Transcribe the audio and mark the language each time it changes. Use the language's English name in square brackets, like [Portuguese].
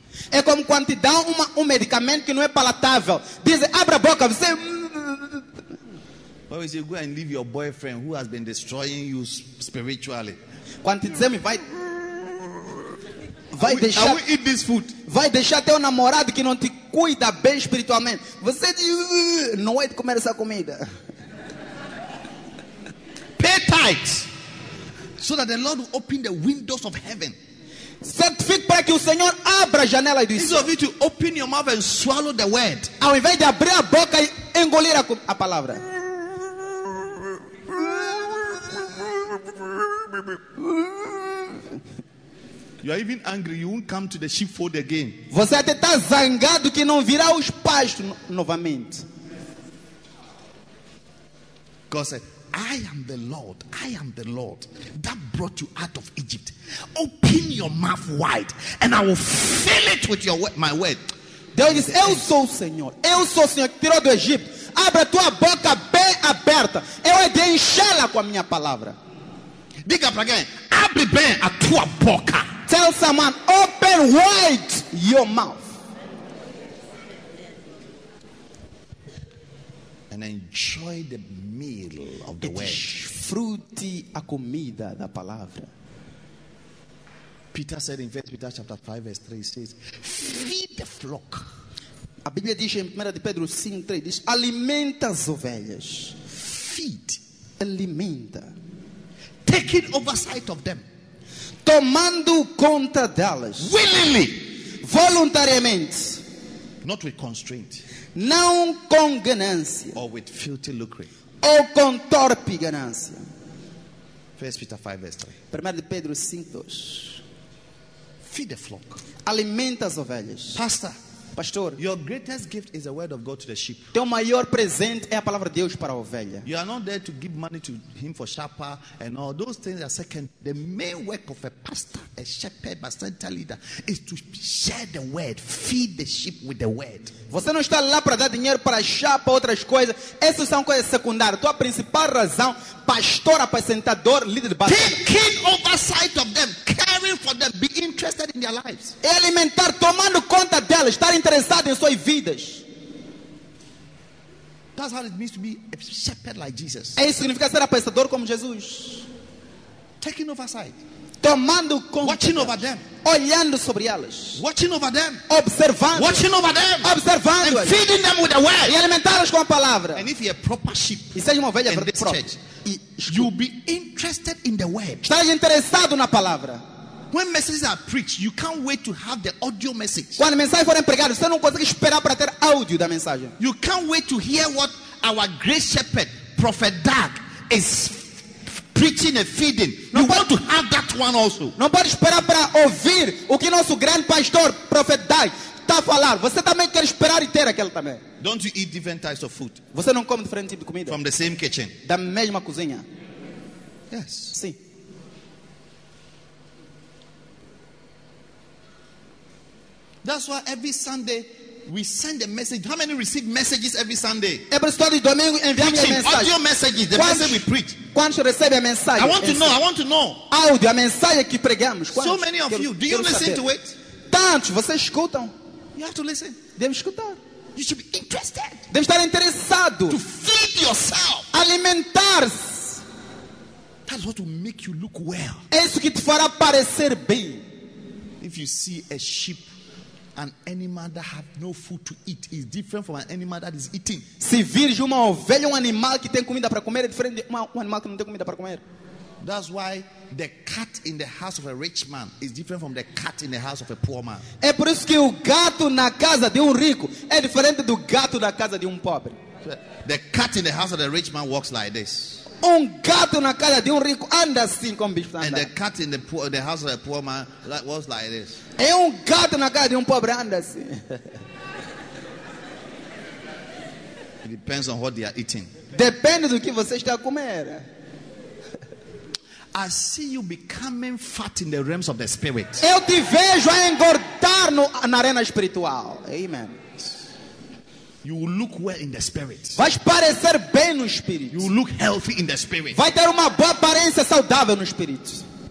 [Portuguese] É como quando te dão um medicamento que não é palatável. Dizem, abre a boca, você. [English] Why would you go and leave your boyfriend who has been destroying you spiritually? [Portuguese] Quando dizer me vai, vai deixar, [English] we eat this food? [Portuguese] Vai deixar teu namorado que não te cuida bem espiritualmente. Você diz, não vai comer essa comida. [English] Pay tight, so that the Lord will open the windows of heaven. [Portuguese] Certifique para que o Senhor abra a janela do céu. [English] You to open your mouth and swallow the word. [Portuguese] Ao invés de abrir a boca e engolir a palavra. [English] You are even angry. You won't come to the sheepfold again. [Portuguese] Você até está zangado que não virá os pastos novamente. [English] God said, "I am the Lord. I am the Lord that brought you out of Egypt. Open your mouth wide, and I will fill it with your my word." [Portuguese] Deus disse, "Eu sou o Senhor. Eu sou o Senhor que tirou do Egito. Abre a tua boca bem aberta. Eu hei de enchê-la com a minha palavra." Diga para alguém, abre bem a tua boca. [English] Tell someone, open wide your mouth. And enjoy the meal of the word. [Portuguese] Desfrute a comida da palavra. [English] Peter said in 1 Peter chapter 5 verse 3, says, feed the flock. [Portuguese] A Bíblia diz em 1 Pedro 5, 3, diz, alimenta as ovelhas. [English] Feed. [Portuguese] Alimenta. [English] Taking oversight of them. [Portuguese] Tomando conta delas. [English] Willingly. [Portuguese] Voluntariamente. [English] Not with constraint. [Portuguese] Não com ganância. [English] Or with filthy lucre. [Portuguese] Ou com torpe ganância. [English] 1 Peter 5, verse 3. [Portuguese] 1 Pedro 5, 2. [English] Feed the flock. [Portuguese] Alimenta as ovelhas. [English] Pastor. [Portuguese] Pastor, [English] your greatest gift is the word of God to the sheep. [Portuguese] Teu maior presente é a palavra de Deus para a ovelha. [English] You are not there to give money to him for shepherd and all those things are second. The main work of a pastor, a shepherd, a center leader is to share the word, feed the sheep with the word. [Portuguese] Você não está lá para dar dinheiro para a chapa, outras coisas. Essas são coisas secundárias. Tua principal razão, pastor, apacentador, líder de [English] base. Taking oversight of them, caring for them, be interested in their lives. [Portuguese] É alimentar, tomando conta delas, estar interessado em suas vidas. [English] That's how it means to be a shepherd like Jesus. [Portuguese] É isso significa ser apacentador como Jesus. [English] Taking oversight. [Portuguese] Tomando conta. [English] Watching over them. [Portuguese] Olhando sobre elas. [English] Watching over them. [Portuguese] Observando. [English] Watching over them. [Portuguese] Observando. [English] And feeding them with the word. [Portuguese] E alimentá-las com a palavra. [English] And if you're a proper sheep. [Portuguese] E seja uma ovelha [English] in this [Portuguese] própria, [English] church, you'll be interested in the word. [Portuguese] Estás interessado na palavra. [English] When messages are preached, you can't wait to have the audio message. [Portuguese] Quando mensagens forem pregadas, você não consegue esperar para ter áudio da mensagem. [English] You can't wait to hear what our great shepherd, Prophet Doug, is preaching and feeding. You want to have that one also. [Portuguese] Não pode esperar para ouvir o que nosso grande pastor, Prophet Doug, está a falar. Você também quer esperar e ter aquele também. [English] Don't you eat different types of food? [Portuguese] Você não come diferente tipo de comida? [English] From the same kitchen. [Portuguese] Da mesma cozinha? [English] Yes. [Portuguese] Sim. [English] That's why every Sunday We send a message. How many receive messages every Sunday? [Portuguese] Preaching, domingo, [English] audio messages, the message we preach. [Portuguese] Quando recebe a mensagem? [English] I want to know. I want to know. [Portuguese] Audio, a mensagem que pregamos. Quantos? [English] So many of you, do you listen to it? [Portuguese] Tantos, vocês escutam? [English] You have to listen. [Portuguese] Deve escutar. [English] You should be interested. [Portuguese] Deve estar interessado. [English] To feed yourself. [Portuguese] Alimentar-se. [English] That's what will make you look well. [Portuguese] É isso que te fará parecer bem. [English] If you see a sheep, an animal that have no food to eat is different from an animal that is eating. [Portuguese] Se vires uma ovelha, um animal que tem comida para comer é diferente de um animal que não tem comida para comer. [English] That's why the cat in the house of a rich man is different from the cat in the house of a poor man. [Portuguese] É por isso que o gato na casa de rico é diferente do gato na casa de pobre. [English] The cat in the house of a rich man walks like this. [Portuguese] Um gato na casa de rico anda assim como bicho anda. [English] And the cat in the poor, the house of a poor man was like this. [Portuguese] É gato na casa de pobre anda assim. [English] It depends on what they are eating. [Portuguese] Depende do que você está a comer. [English] I see you becoming fat in the realms of the spirit. [Portuguese] Eu te vejo a engordar na arena espiritual. Amen. [English] You will look well in the spirit. [Portuguese] Vai parecer bem no espírito. [English] You will look healthy in the spirit. [Portuguese] Vai ter uma boa aparência saudável no espírito.